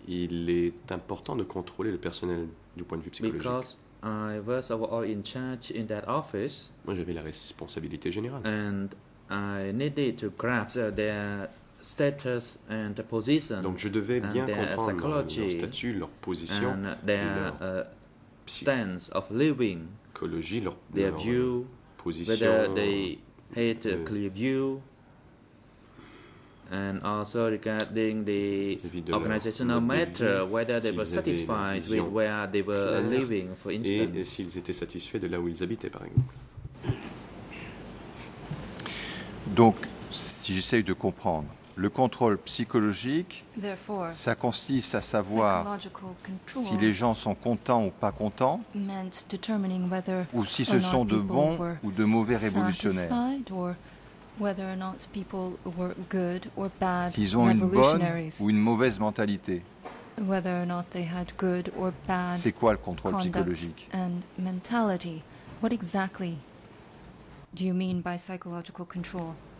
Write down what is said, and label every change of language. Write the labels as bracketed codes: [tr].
[fr] Il est important de contrôler le personnel du point de vue psychologique. [en] Because I was overall in charge in that office. [fr] Moi, j'avais la responsabilité générale. [en] And I needed to grasp their status and position. [fr] Donc, je devais bien comprendre leur statut, leur position, [en] and their stance of living, [fr] leur [en] view, position, whether they had a clear view. And also regarding the organizational matter, whether they were satisfied with where they were living, for instance. [fr] Et s'ils étaient satisfaits de là où ils habitaient, par exemple. Donc, si j'essaye de comprendre, le contrôle psychologique, ça consiste à savoir si les gens sont contents ou pas contents, ou si ce sont de bons ou de mauvais révolutionnaires. [en] Whether or not people were good or bad [fr] s'ils ont une bonne ou une mauvaise mentalité. [en] Whether or not they had good or bad. [fr] C'est quoi le contrôle psychologique? [en] And mentality. What exactly do you mean by psychological control?